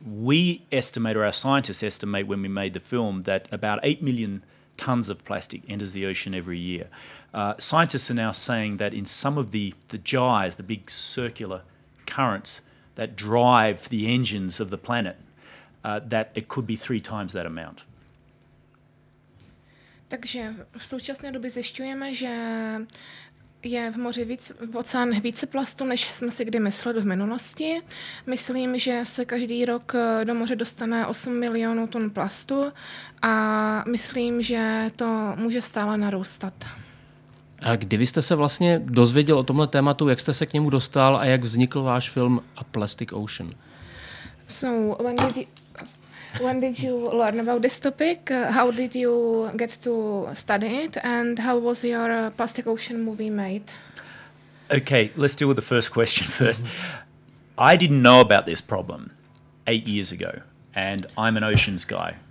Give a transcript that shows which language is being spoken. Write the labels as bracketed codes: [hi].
[en] We estimate, or our scientists estimate when we made the film, that about 8 million tons of plastic enters the ocean every year. Scientists are now saying that in some of the gyres, the big circular currents that drive the engines of the planet, that it could be three times that amount. [cs] Takže v současné době zjišťujeme, že je v moři víc, v oceánu více plastu, než jsme si kdy mysleli v minulosti. Myslím, že se každý rok do moře dostane 8 milionů tun plastu a myslím, že to může stále narůstat. A kdy vy jste se vlastně dozvěděl o tomhle tématu, jak jste se k němu dostal a jak vznikl váš film A Plastic Ocean? [en] So, when did you learn about this topic? How did you get to study it? And how was your Plastic Ocean movie made? Okay, let's deal with the first question first. I didn't know about this problem 8 years ago, and I'm an oceans guy.